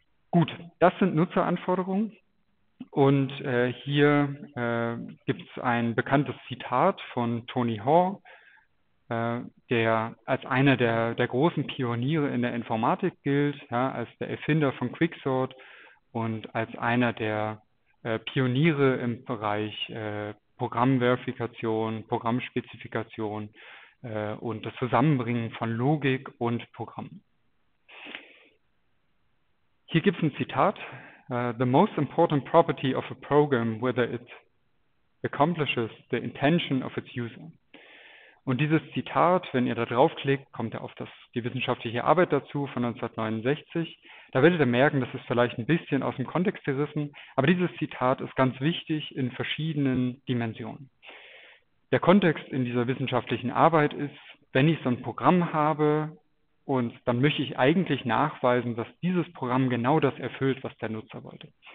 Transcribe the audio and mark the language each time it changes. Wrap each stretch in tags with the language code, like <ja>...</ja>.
<de>Gut, das sind Nutzeranforderungen. Und hier gibt es ein bekanntes Zitat von Tony Hoare, der als einer der großen Pioniere in der Informatik gilt, ja, als der Erfinder von Quicksort und als einer der Pioniere im Bereich Programmverifikation, Programmspezifikation und das Zusammenbringen von Logik und Programmen. Hier gibt es ein Zitat.</de> <en>The most important property of a program, whether it accomplishes the intention of its user.</en> <de>Und dieses Zitat, wenn ihr da draufklickt, kommt ja auf die wissenschaftliche Arbeit dazu von 1969. Da werdet ihr merken, das ist vielleicht ein bisschen aus dem Kontext gerissen, aber dieses Zitat ist ganz wichtig in verschiedenen Dimensionen. Der Kontext in dieser wissenschaftlichen Arbeit ist, wenn ich so ein Programm habe und dann möchte ich eigentlich nachweisen, dass dieses Programm genau das erfüllt, was der Nutzer wollte.</de>